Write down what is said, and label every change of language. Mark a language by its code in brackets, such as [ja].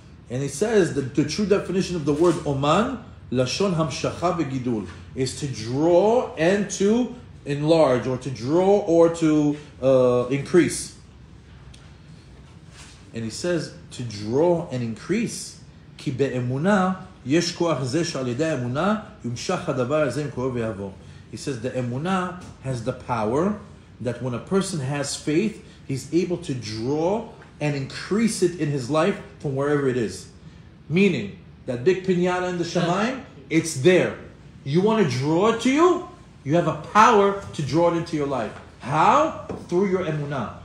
[en] And he says that the true definition of the word Oman, [he] Lashon Hamshacha VeGidul, [en] is to draw and to enlarge, or to draw or to increase. And he says to draw and increase. [he] כי באמונה יש כוח זה שעל ידי האמונה יומשך הדבר הזה מקורו ויעבור. [en] He says the emunah has the power that when a person has faith, he's able to draw and increase it in his life from wherever it is. Meaning, that big pinata in the shamayim, it's there. You want to draw it to you? You have a power to draw it into your life. How? Through your emunah.